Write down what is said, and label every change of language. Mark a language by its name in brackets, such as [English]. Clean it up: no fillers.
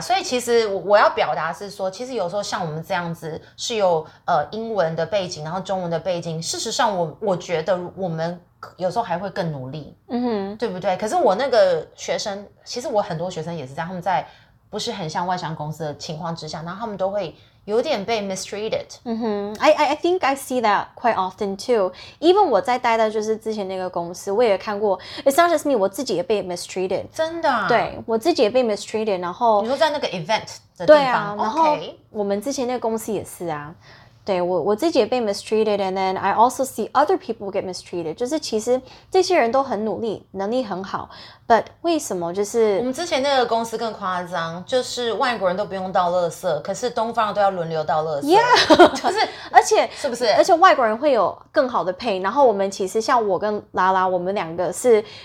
[Chinese] 所以其实我要表达是说，其实有时候像我们这样子是有英文的背景，然后中文的背景。事实上我觉得我们有时候还会更努力，嗯哼，对不对？可是我那个学生，其实我很多学生也是这样，他们在不是很像外商公司的情况之下，然后他们都会。有点被 mistreated. Mm-hmm. [English] I think I see that quite often too. [Chinese] Even 我在待在就是之前那个公司，我也看过。 [English] It's not just me. [Chinese] 我自己也被 [English] mistreated. [Chinese] 真的、啊？对，我自己也被 mistreated. 然后你说在那个 event 的地方，对啊。然后我们之前那个公司也是啊。对我自己也被 [English] mistreated, and then I also see other people get mistreated. [Chinese] 就是其实这些人都很努力，能力很好 ，but 为什么就是我们之前那个公司更夸张，就是外国人都不用倒垃圾，可是东方人都要轮流倒垃圾。 [English] Yeah, [Chinese] 就是而且是不是？而且外国人会有更好的 pay。然后我们其实像我跟拉拉，我们两个是。